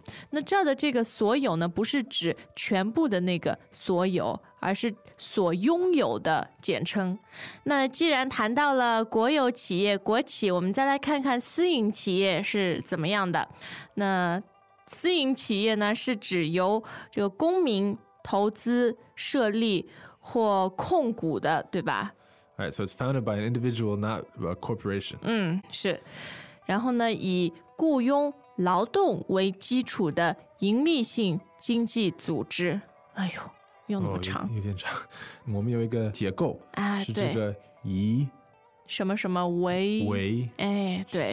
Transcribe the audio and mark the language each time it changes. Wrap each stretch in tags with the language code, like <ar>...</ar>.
<zh>那这儿的这个所有呢，不是指全部的那个所有，而是所拥有的简称。那既然谈到了国有企业、国企，我们再来看看私营企业是怎么样的。那私营企业呢，是指由这个公民投资设立或控股的，对吧？</zh> <en>Right, so it's founded by an individual, not a corporation.</en> <zh>是。然后呢，以雇佣劳动为基础的盈利性经济组织。哎呦，又那么长。有点长。我们有一个结构，是这个以什么什么为。为。哎，对。</zh>